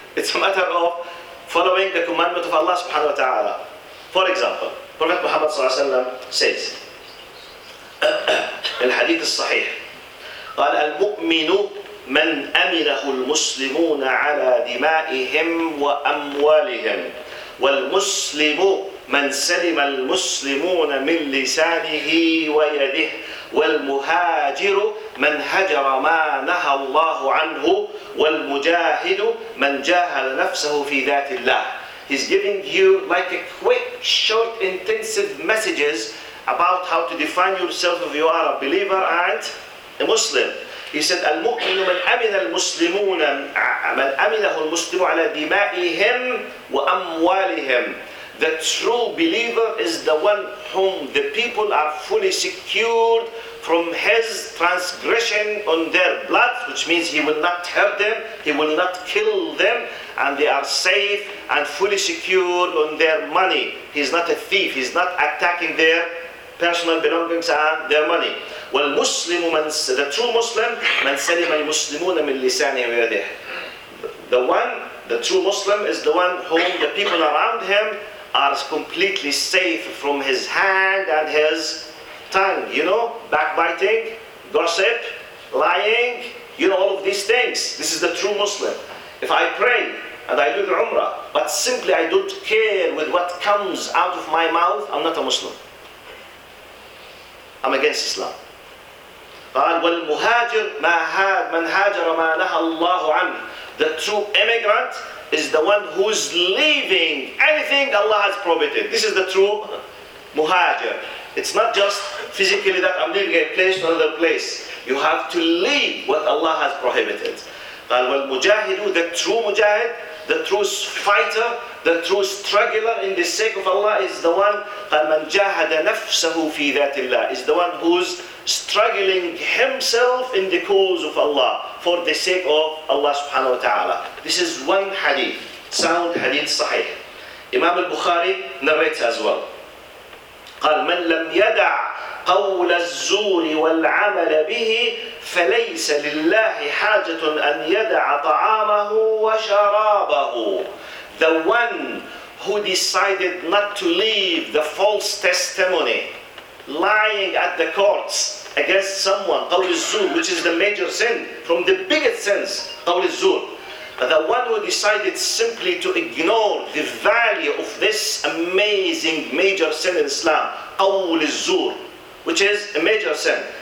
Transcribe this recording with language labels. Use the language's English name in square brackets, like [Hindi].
[English] It's a matter of following the commandment of Allah subhanahu wa ta'ala. For example, Prophet Muhammad sallallahu alayhi wa sallam says, in hadith al-sahih, [Arabic] قال المؤمن من أمنه المسلمون على دمائهم وأموالهم والمسلم من سلم المسلمون من لسانه ويده والمهاجر من هجر ما نهى الله عنه والمجاهد من جاهل نفسه في ذات الله. [English] He's giving you like a quick, short, intensive messages about how to define yourself if you are a believer and a Muslim. [Arabic] He said, المؤمن من أمن المسلمون من أمنه المسلم على دمائهم وأموالهم. [English] The true believer is the one whom the people are fully secured from his transgression on their blood, which means he will not hurt them, he will not kill them, and they are safe and fully secured on their money. He's not a thief, he's not attacking their personal belongings and their money. [Arabic] والمسلم من [English] the true Muslim [Arabic] من سلم المسلمون من لسانه ويده. [English] The one, the true Muslim is the one whom the people around him are completely safe from his hand and his tongue. You know, backbiting, gossip, lying, you know, all of these things. This is the true Muslim. If I pray and I do the Umrah, but simply I don't care with what comes out of my mouth, I'm not a Muslim. I'm against Islam. [Arabic] قال والمهاجر ما هاجر من هاجر ما نهى الله عنه. [English] The true immigrant is the one who's leaving anything Allah has prohibited. This is the true muhajir. It's not just physically that I'm leaving a place to another place. You have to leave what Allah has prohibited. [Arabic] قال والمجاهد, [English] the true mujahid, the true fighter, the true struggler in the sake of Allah is the one, [Arabic] قال من جاهد نفسه في ذات الله, [English] is the one who's struggling himself in the cause of Allah for the sake of Allah subhanahu wa ta'ala. This is one hadith, sound hadith sahih. Imam al-Bukhari narrates as well. [Arabic] قال من لم يدع قول الزور والعمل به فليس لله حاجة أن يدع طعامه وشرابه. [English] The one who decided not to leave the false testimony, lying at the courts against someone, [Arabic] قول الزور, [English] which is the major sin, from the biggest sins, قول الزور. The one who decided simply to ignore the value of this amazing major sin in Islam, [Arabic] قول الزور, [English] which is a major sin.